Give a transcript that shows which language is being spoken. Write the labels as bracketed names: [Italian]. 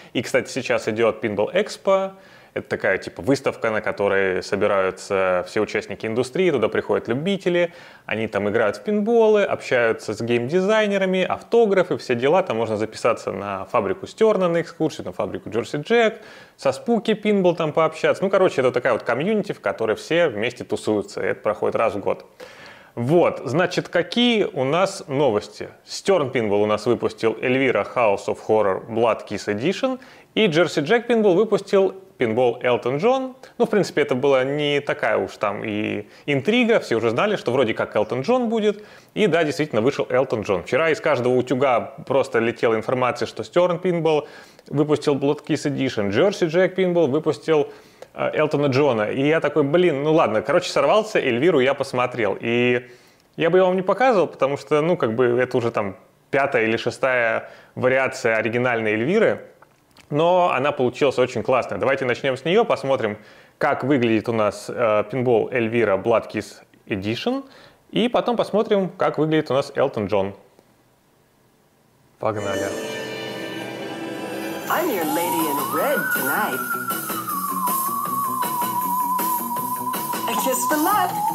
[Russian] И, кстати, сейчас идет Pinball Expo, это такая типа выставка, на которой собираются все участники индустрии, туда приходят любители, они там играют в пинболы, общаются с гейм-дизайнерами, автографы, все дела, там можно записаться на фабрику Stern на экскурсию, на фабрику Jersey Jack, со Spooky Pinball там пообщаться. Ну, короче, это такая вот комьюнити, в которой все вместе тусуются, и это проходит раз в год. Вот, значит, какие у нас новости? Stern Pinball у нас выпустил Elvira House of Horror Blood Kiss Edition, и Jersey Jack Pinball выпустил пинбол Элтон Джон. Ну, в принципе, это была не такая уж там и интрига. Все уже знали, что вроде как Элтон Джон будет. И да, действительно, вышел Элтон Джон. Вчера из каждого утюга просто летела информация, что Stern Pinball выпустил Blood Kiss Edition, Jersey Jack Pinball выпустил Элтона Джона. И я такой, блин, ну ладно, короче, сорвался, Эльвиру я посмотрел. И я бы его вам не показывал, потому что, ну, как бы, это уже там пятая или шестая вариация оригинальной Эльвиры. Но она получилась очень классная. Давайте начнем с нее, посмотрим, как выглядит у нас пинбол Elvira Blood Kiss Edition. И потом посмотрим, как выглядит у нас Элтон Джон. Погнали. [English] I'm your lady in red tonight. A kiss for luck.